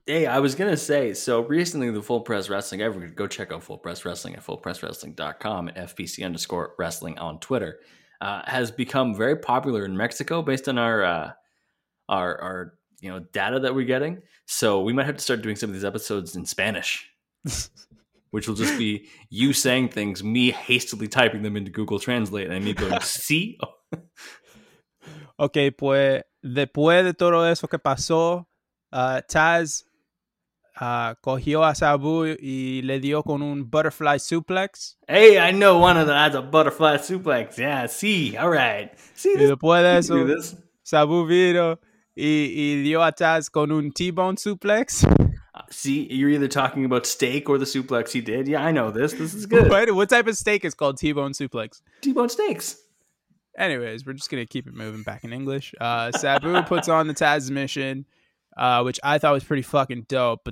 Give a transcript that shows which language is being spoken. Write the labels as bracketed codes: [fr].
[en] Hey, I was going to say, so recently the Full Press Wrestling, everyone go check out Full Press Wrestling at fullpresswrestling.com and FPC_wrestling on Twitter, has become very popular in Mexico based on our you know, data that we're getting. So we might have to start doing some of these episodes in Spanish, which will just be you saying things, me hastily typing them into Google Translate, and me going, sí. [es] Ok, pues, después de todo eso que pasó, Taz cogió a Sabu y le dio con un butterfly suplex. [en] Hey, I know one of them has a butterfly suplex. Yeah, sí, all right. [es] Sí, y después de eso, Sabu vino y dio a Taz con un T-bone suplex. [en] See, you're either talking about steak or the suplex he did. Yeah, I know this. This is good. Wait, what type of steak is called T-bone suplex? T-bone steaks. Anyways, we're just going to keep it moving back in English. Sabu puts on the Taz mission, which I thought was pretty fucking dope.